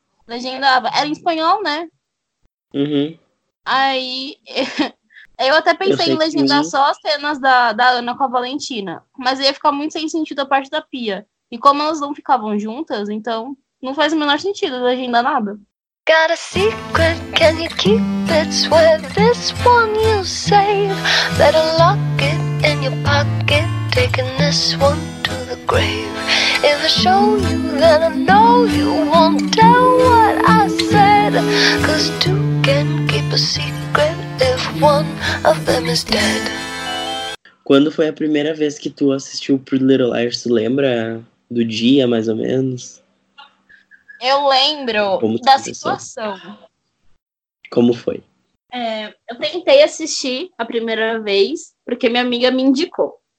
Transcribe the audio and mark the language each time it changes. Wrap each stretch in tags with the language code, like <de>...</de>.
<pt>Legendava. Era em espanhol, né? Uhum. Aí eu até pensei em legendar só as cenas da Ana com a Valentina. Mas ia ficar muito sem sentido a parte da Pia. E como elas não ficavam juntas, então não faz o menor sentido legendar nada.</pt> <en>Got a secret, can you keep it? Swear this one you save. Better lock it in your pocket, taking this one to the grave. If I show you, then I know you won't tell what I said. Cause two can keep a secret if one of them is dead.</en> <pt>Quando foi a primeira vez que tu assistiu Pretty Little Liars? Tu lembra do dia, mais ou menos? Eu lembro da situação. Como foi? É, eu tentei assistir a primeira vez, porque minha amiga me indicou.</pt>